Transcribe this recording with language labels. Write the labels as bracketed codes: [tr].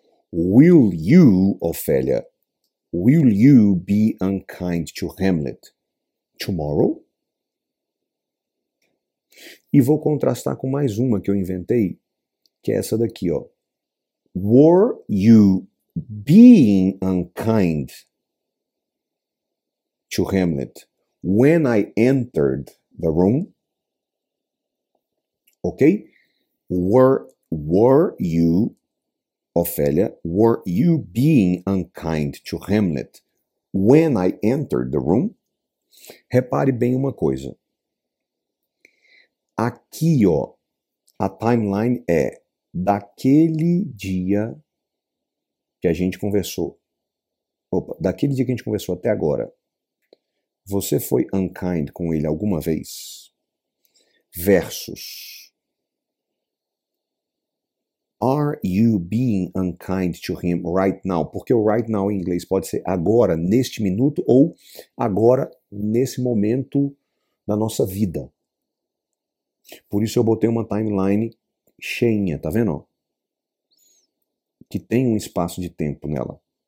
[en] Will you, Ofélia, will you be unkind to Hamlet tomorrow? [pt] E vou contrastar com mais uma que eu inventei, que é essa daqui, ó. [en] Were you being unkind to Hamlet when I entered the room? Ok? Were you, Ofélia, were you being unkind to Hamlet when I entered the room? [pt] Repare bem uma coisa. Aqui, ó, a timeline é daquele dia que a gente conversou. Opa, daquele dia que a gente conversou até agora. Você foi unkind com ele alguma vez? Versus. [en] Are you being unkind to him right now? [pt] Porque o right now em inglês pode ser agora, neste minuto, ou agora, nesse momento da nossa vida. Por isso eu botei uma timeline cheinha, tá vendo? Que tem um espaço de tempo nela.